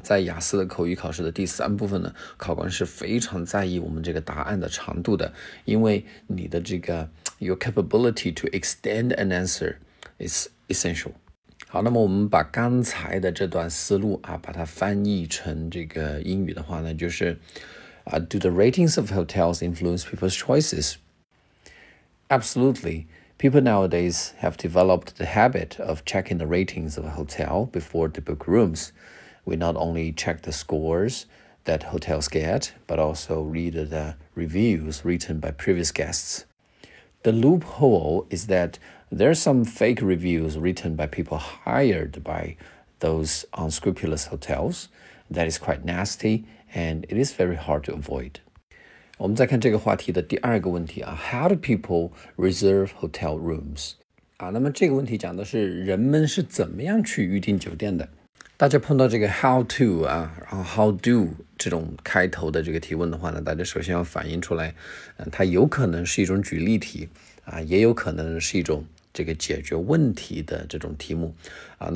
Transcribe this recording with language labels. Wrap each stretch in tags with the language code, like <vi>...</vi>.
<zh>在雅思的口语考试的第三部分呢，考官是非常在意我们这个答案的长度的，因为你的这个 your capability to extend an answerIt's essential. 好，那么我们把刚才的这段思路啊，把它翻译成这个英语的话呢，就是 Do the ratings of hotels influence people's choices?</zh> <en>Absolutely. People nowadays have developed the habit of checking the ratings of a hotel before they book rooms. We not only check the scores that hotels get, but also read the reviews written by previous guests. The loophole is thatThere are some fake reviews written by people hired by those unscrupulous hotels. That is quite nasty, and it is very hard to avoid.</en> <zh>我们再看这个话题的第二个问题啊， How do people reserve hotel rooms? 啊，那么这个问题讲的是人们是怎么样去预订酒店的。大家碰到这个 how to 啊，然后 how do 这种开头的这个提问的话呢，大家首先要反映出来，它有可能是一种举例题啊，也有可能是一种这个解决问题的这种题目啊。</zh>